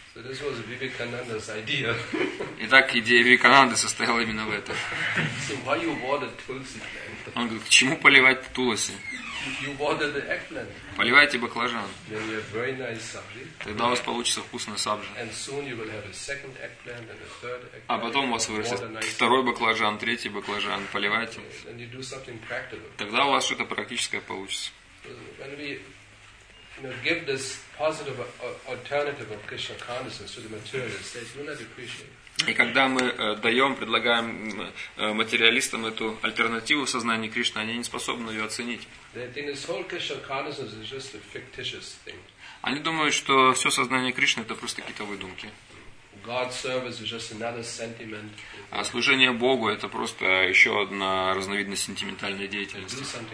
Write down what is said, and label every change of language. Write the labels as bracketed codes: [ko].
[en] So this was Vivekananda's idea. [ru] Итак, идея Вивекананды состояла именно в этом. [en] So why you water tulsi, then? [ru] Он говорит, к чему поливать туласи? [en] You water the eggplant. [ru] Поливайте баклажан. [en] Then you have very nice sabji. [ru] Тогда у вас получится вкусная сабжа. [en] And soon you will have a second eggplant and a third eggplant. [ru] А потом у вас вырастет второй баклажан, третий баклажан. Поливайте. [en] And you do something practical. [ru] Тогда у вас что-то практическое получится. [en] When we, you know, give this positive alternative of Krishna consciousness to the materialists, they will not appreciate. [ru] И когда мы даем, предлагаем материалистам эту альтернативу в сознании Кришны, они не способны ее оценить. Они думают, что все сознание Кришны – это просто какие-то выдумки. А служение Богу – это просто еще одна разновидность сентиментальной деятельности.